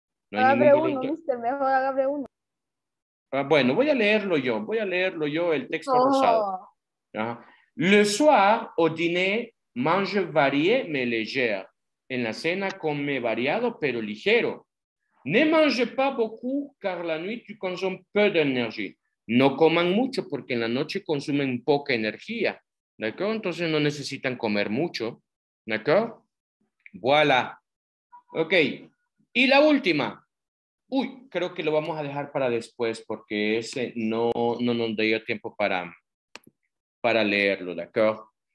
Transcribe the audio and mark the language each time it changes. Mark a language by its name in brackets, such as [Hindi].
[Spanish] No hay abre uno, mister, mejor abre uno. Bueno, voy a leerlo yo, el texto rosado. Ajá. [French] Le soir, au dîner, mange varié, mais léger. [Spanish] En la cena, come variado, pero ligero. [French] Ne mange pas beaucoup, car la nuit, tu consommes peu d'énergie. [Spanish] No coman mucho, porque en la noche consumen poca energía. [French] ¿D'accord? [Spanish] Entonces, no necesitan comer mucho. [French] ¿D'accord? Voilà. [Spanish] Ok. Y la última. Uy, creo que lo vamos a dejar para después porque ese no nos dio tiempo para leerlo, ¿de acuerdo?